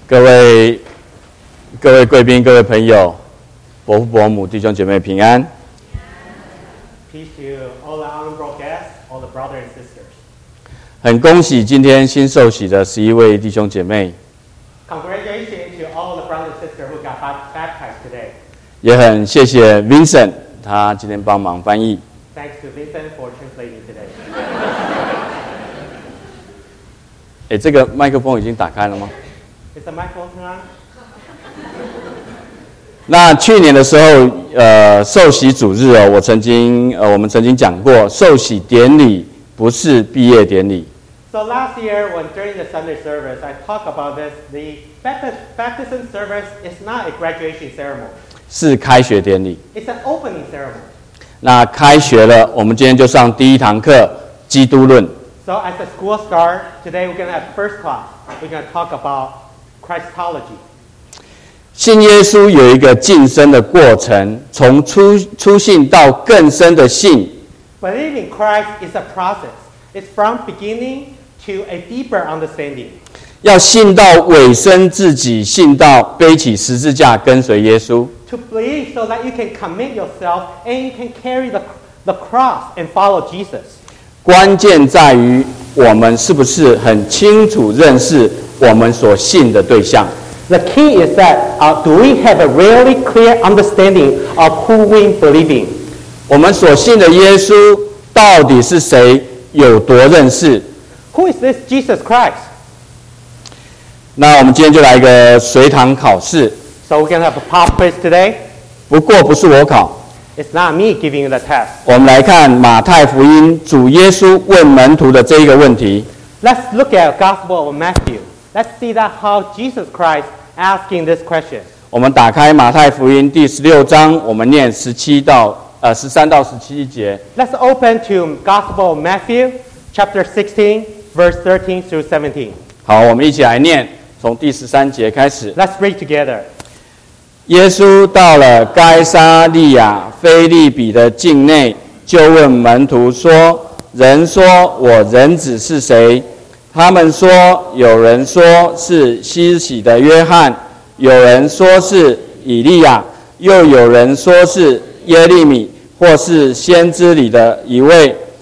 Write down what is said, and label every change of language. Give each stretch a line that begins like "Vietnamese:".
Chinese: 各位贵宾、各位朋友、伯父伯母、弟兄姐妹平安。
English: Peace to all the honorable guests, all the brothers and sisters.
Chinese: 很恭喜今天新受洗的十一位弟兄姐妹。
English: Congratulations to all the brothers and sisters who got baptized today.
Chinese: 也很谢谢 Vincent, 他今天帮忙翻译。
English: Thanks to Vincent for translating today.
Chinese: 哎，这个麦克风已经打开了吗？
English: Is the microphone
Chinese: on? 那去年的时候，受洗主日哦，我们曾经讲过，受洗典礼不是毕业典礼。
English: So last year, when during the Sunday service, I talked about this. The baptism service is not a graduation ceremony.
Chinese: 是开学典礼。
English: It's an opening ceremony.
Chinese: 那开学了，我们今天就上第一堂课，基督论。
English: So as the school starts today, we're going to have first class. We're going to talk about. Christology.
Chinese: 信耶稣有一个晋升的过程，从 初信到更深的信。
English: Believing Christ is a process. It's from beginning to a deeper understanding.
Chinese: 要信到委身自己，信到背起十字架跟随耶稣。
English: To believe so that you can commit yourself and you can carry the cross and follow Jesus.
Chinese: 关键在于我们是不是很清楚认识我们所信的对象。
English: The key is that, do we have a really clear understanding of who we believe in?
Chinese: 我们所信的耶稣到底是谁，有多认识。
English: Who is this Jesus Christ?
Chinese: 那我们今天就来一个随堂考试。
English: So we're going to have a pop quiz today.
Chinese: 不过不是我考。
English: It's not me giving you the test.
Chinese: 我们来看马太福音主耶稣问门徒的这一个问题。
English: Let's look at the Gospel of Matthew. Let's see that how Jesus Christ asking this question.
Chinese: 我们打开马太福音第十六章，我们念十三到十七节。
English: Let's open to Gospel of Matthew, chapter 16, verse 13 through 17.
Chinese: 好，我们一起来念，从第十三节开始。
English: Let's read together.
Chinese: 耶稣到了该撒利亚腓利比的境内，就问门徒说：“人说我人子是谁？” 他们说，有人说是西洗的约翰，有人说是以利亚，又有人说是耶利米，或是先知里的一位。